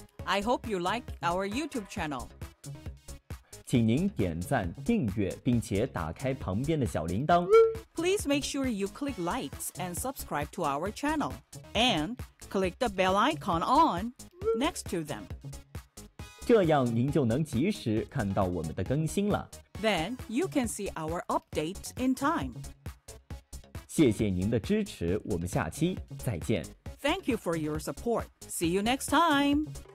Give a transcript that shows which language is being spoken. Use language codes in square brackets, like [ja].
[en] I hope you like our YouTube channel. [zh] 请您点赞、订阅，并且打开旁边的小铃铛。 [en] Please make sure you click likes and subscribe to our channel. And click the bell icon on next to them. [zh] 这样您就能及时看到我们的更新了。 [en] Then you can see our updates in time. [zh] 谢谢您的支持，我们下期再见。 [en] Thank you for your support. See you next time.